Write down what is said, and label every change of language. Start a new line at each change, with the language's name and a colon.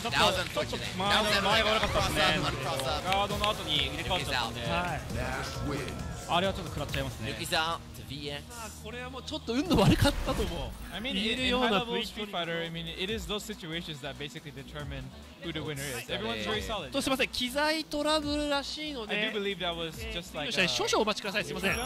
Japanese: ちょっと前が悪かったですね。ガードの後に入れ替わっちゃったんで、あれはちょっと食らっちゃいますね。さあ、これはもうちょっと運の悪かったと思う。言えるような V トリガー。
English: I mean, it is those situations that basically determine who the winner is. Everyone's very solid.
Japanese: とすいません、機材トラブルらしいので。
English: I do believe that was just like.
Japanese: 少々お待ちください。すいません。